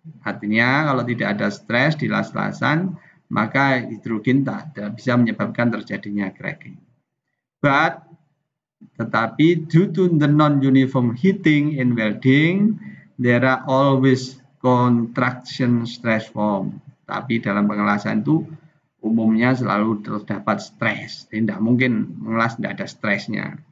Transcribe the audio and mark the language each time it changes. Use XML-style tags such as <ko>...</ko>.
<id>Artinya kalau tidak ada stres di las-lasan, maka hidrogen tidak bisa menyebabkan terjadinya cracking. But Tetapi</id> <en>due to the non-uniform heating in welding, there are always contraction stress form.</en> <id>Tapi dalam pengelasan itu umumnya selalu terdapat stres. Tidak mungkin mengelas tidak ada stresnya.</id>